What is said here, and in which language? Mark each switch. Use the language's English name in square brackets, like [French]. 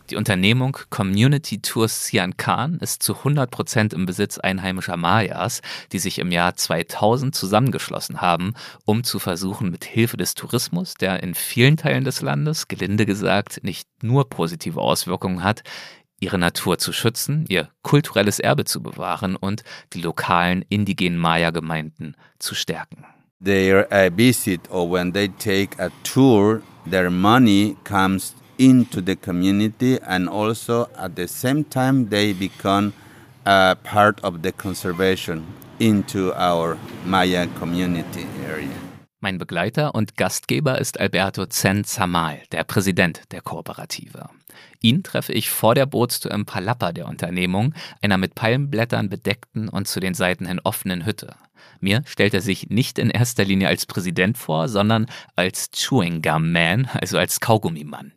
[German] Die Unternehmung Community Tours Sian Khan ist zu 100% im Besitz einheimischer Mayas, die sich im Jahr 2000 zusammengeschlossen haben, um zu versuchen, mit Hilfe des Tourismus, der in vielen Teilen des Landes, gelinde gesagt, nicht nur positive Auswirkungen hat, ihre Natur zu schützen, ihr kulturelles Erbe zu bewahren und die lokalen indigenen Maya-Gemeinden zu stärken. [English] Their visit or when they take a tour, their money comes into the community and also at the same time they become a part of the conservation into our Maya community area. [German] Mein Begleiter und Gastgeber ist Alberto Zen Zamal, der Präsident der Kooperative. Ihn treffe ich vor der Bootstour im Palapa der Unternehmung, einer mit Palmblättern bedeckten und zu den Seiten hin offenen Hütte. Mir stellt er sich nicht in erster Linie als Präsident vor, sondern als Chewing Gum Man, also als Kaugummimann.